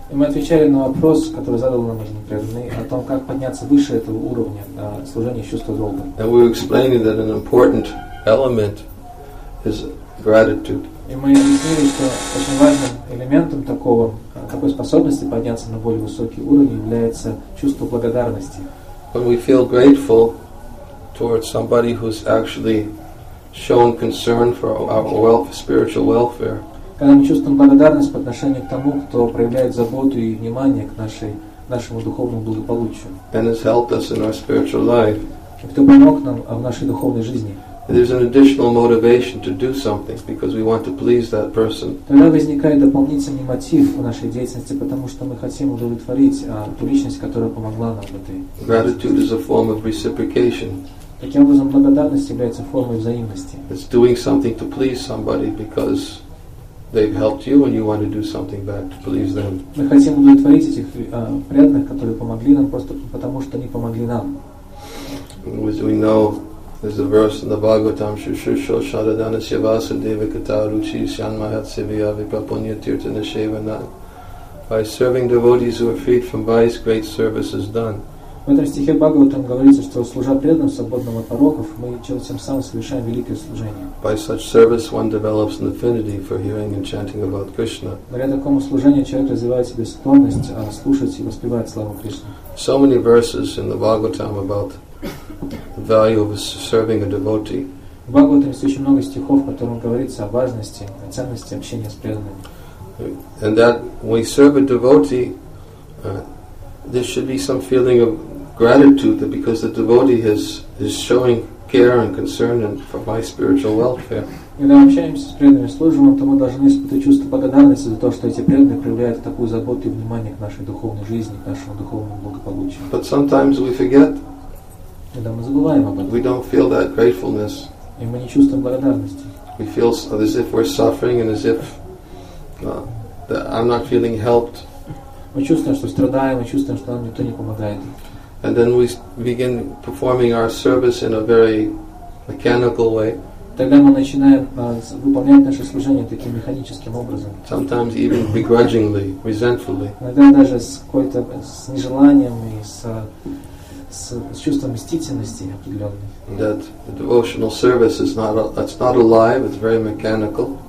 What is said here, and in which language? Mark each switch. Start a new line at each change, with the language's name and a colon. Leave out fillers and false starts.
Russian: Мы отвечали на вопрос, который задал нам один преданный, о том, как подняться выше этого уровня служения чувства долга.
English: And we were explaining that an important element is gratitude.
Russian: И мы объяснили, что очень важным элементом такого, такой способности подняться на более высокий уровень является чувство благодарности.
English: When we feel grateful towards somebody who's actually shown concern for our spiritual welfare.
Russian: Когда мы чувствуем благодарность по отношению к тому, кто проявляет заботу и внимание к нашему духовному благополучию.
English: And has helped us in our spiritual life.
Russian: И кто помог нам в нашей духовной жизни.
English: There's an additional motivation to do something because we want to please that person.
Russian: Тогда возникает дополнительный мотив в нашей деятельности, потому что мы хотим удовлетворить ту личность, которая помогла нам в этой.
English: Gratitude is a form of reciprocation.
Russian: Таким образом, благодарность является формой взаимности.
English: It's doing something to please somebody because they've helped you and you want to do something back to please them.
Russian: Мы хотим удовлетворить этих преданных, которые помогли нам просто потому, что они помогли нам.
English: As we know, there's a verse in the Bhagavatam, Shushusho Shadadana Shivasa Devakata Ruchi Shyanmahat Sivya Vipapunya Tirtana Shevana. By serving devotees who are freed from vice, great service is done.
Russian: В этом стихе Бхагаватам говорится, что служа преданным, свободным от пороков, мы тем самым совершаем великое служение.
English: By such service one develops an affinity for hearing and chanting about Krishna.
Russian: Благодаря такому служению человек развивает себе склонность слушать и воспевать славу Кришны.
English: So many verses in the Bhagavatam about the value of serving a devotee.
Russian: В Бхагаватам есть очень много стихов, в котором говорится о важности, о ценности общения с преданными.
English: And that when we serve a devotee, there should be some feeling of gratitude that because the devotee is showing care and concern and for my spiritual welfare.
Russian: Когда мы общаемся с преданными служителями, то мы должны испытывать чувство благодарности за то, что эти преданные проявляют такую заботу и внимание к нашей духовной жизни, к нашему духовному благополучию.
English: But sometimes we forget.
Russian: Когда мы забываем об этом.
English: We don't feel that gratefulness.
Russian: И мы не чувствуем благодарности.
English: We feel as if we're suffering and as if that I'm not feeling helped.
Russian: Мы чувствуем, что страдаем, мы чувствуем, что нам никто не помогает.
English: And then we begin performing our service in a very mechanical way.
Russian: Тогда мы начинаем выполнять наше служение таким механическим образом.
English: Sometimes even begrudgingly, resentfully.
Russian: Иногда даже с какой-то с нежеланием и с чувством мстительности определенной.
English: That the devotional service is not alive, it's very mechanical.